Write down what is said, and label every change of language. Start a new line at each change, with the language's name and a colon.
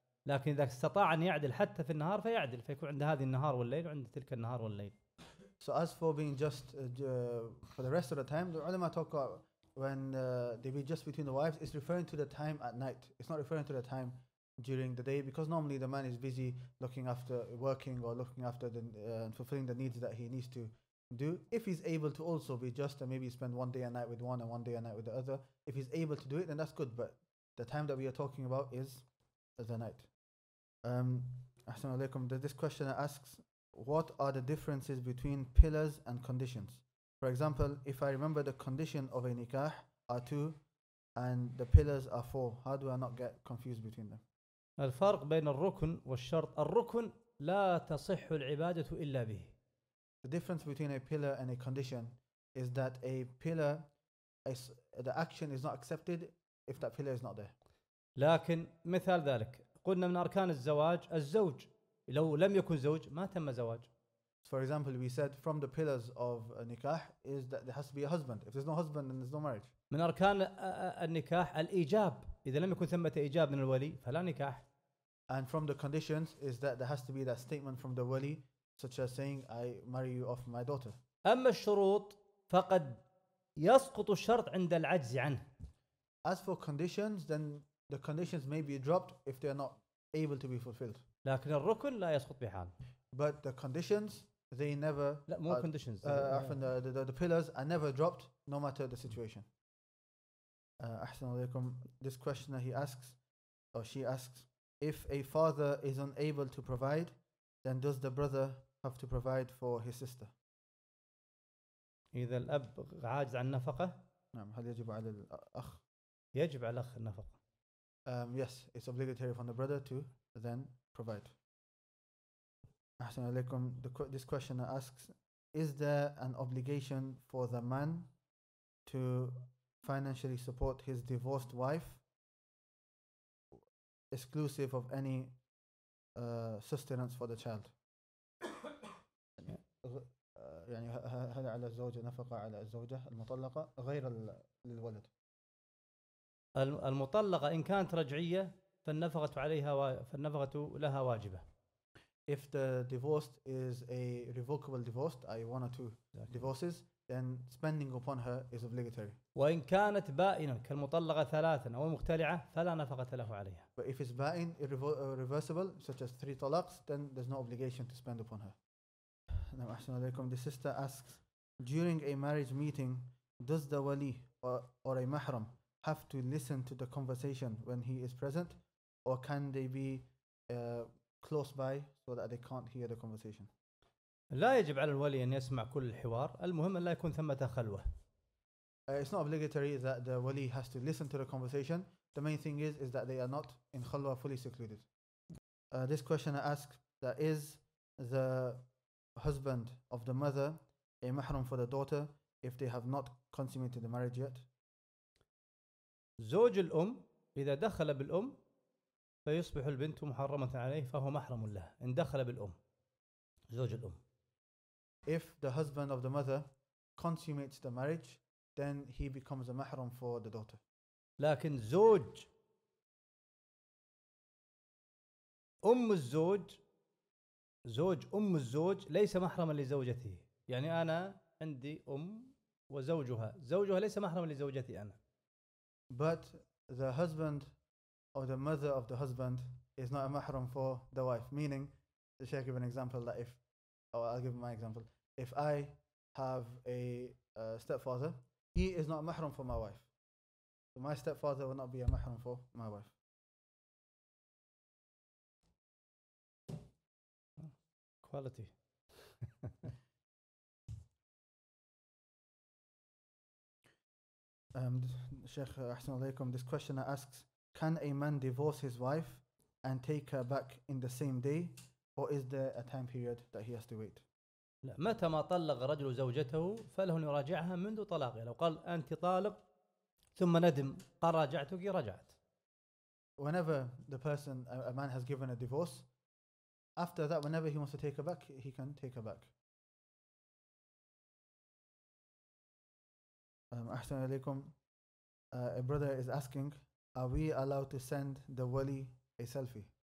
Arabic: لكن إذا استطاع أن يعدل حتى في النهار فيعدل، فيكون عند هذه النهار والليل وعند تلك النهار والليل.
English: So as for being just for the rest of the time, the ulama talk when they be just between the wives, it's referring to the time at night. It's not referring to the time during the day, because normally the man is busy looking after working or looking after the fulfilling the needs that he needs to do. If he's able to also be just and maybe spend one day a night with one and one day a night with the other, if he's able to do it, then that's good. But the time that we are talking about is the night. Assalamu alaikum. This questioner asks, what are the differences between pillars and conditions? For example, if I remember the condition of a nikah are two and the pillars are four, how do I not get confused between them?
Arabic: الفرق بين الركن والشرط، الركن لا تصح العبادة إلا به.
English: The difference between a pillar and a condition is that a pillar is the action is not accepted if that pillar is not there.
Arabic: لكن مثال ذلك، قلنا من أركان الزواج الزوج، لو لم يكن زوج ما تم زواج.
English: For example, we said from the pillars of a nikah is that there has to be a husband. If there's no husband, then there's no marriage.
Arabic: من أركان النكاح الإجاب. إذا لم يكن ثمة إجاب من الولي فلا نكاح.
English: And from the conditions is that there has to be that statement from the wali, such as saying, "I marry you off my daughter."
Arabic: أما الشروط فقد يسقط الشرط عند العجز عنه.
English: As for conditions, then the conditions may be dropped if they are not able to be fulfilled.
Arabic: لكن الركن لا يسقط بحال.
English: But the conditions, they never.
Arabic: لا
English: more conditions. Often the pillars are never dropped, no matter the situation.
Arabic: أحسن عليكم.
English: This questioner he asks, or she asks, if a father is unable to provide, then does the brother have to provide for his sister?
Arabic: إذا الأب عاجز عن النفقة. نعم. هل يجب على الأخ؟ يجب على الأخ النفقة.
English: Yes, it's obligatory for the brother to then provide.
Arabic: أحسن عليكم.
English: This questioner asks, is there an obligation for the man to financially support his divorced wife exclusive of any sustenance for the child?
Arabic: يعني هل على الزوجة نفقة على الزوجة المطلقة غير للولد؟ المطلقة إن كانت رجعية فالنفقة عليها فالنفقة لها واجبة.
English: If the divorced is a revocable divorced, i.e. one or two exactly. divorces, then spending upon her is obligatory.
Arabic: وإن كانت بائنة كالمطلقة ثلاثة أو مختلعة فلا نفقة له عليها.
English: But if it's بائن, irreversible, such as three talaqs, then there's no obligation to spend upon her. Now,
Arabic: أحسن عليكم.
English: The sister asks, during a marriage meeting, does the wali or a mahram have to listen to the conversation when he is present, or can they be close by so that they can't hear the conversation?
Arabic: لا يجب على الولي أن يسمع كل الحوار، المهم أن لا يكون ثمة خلوة.
English: It's not obligatory that the wali has to listen to the conversation. The main thing is that they are not in khalwa, fully secluded. This question I ask, that is the husband of the mother a mahram for the daughter if they have not consummated the marriage yet?
Arabic: زوج الأم إذا دخل بالأم فيصبح البنت محرمة عليه فهو محرم له إن دخل بالأم زوج الأم.
English: If the husband of the mother consummates the marriage, then he becomes a mahram for the daughter.
Arabic: لكن زوج أم الزوج، زوج أم الزوج ليس محرما لزوجته. يعني أنا عندي أم وزوجها، زوجها ليس محرما لزوجتي أنا.
English: But the husband or the mother of the husband is not a mahram for the wife. Meaning, the Sheikh gave an example that if, or I'll give my example, if I have a stepfather, he is not a mahram for my wife. My stepfather will not be a mahram for my wife. Quality. Sheikh Ahsan Alaykum, this questioner asks, can a man divorce his wife and take her back in the same day, or is there a time period that he has to wait?
Arabic: لا متى ما طلق رجل زوجته فله أن يراجعها منذ طلاقه. لو قال أنت طالق ثم ندم قال راجعتك رجعت.
English: Whenever the person a man has given a divorce, after that whenever he wants to take her back he can take her back.
Arabic: أحسن عليكم.
English: A brother is asking, are we allowed to send the wali a selfie?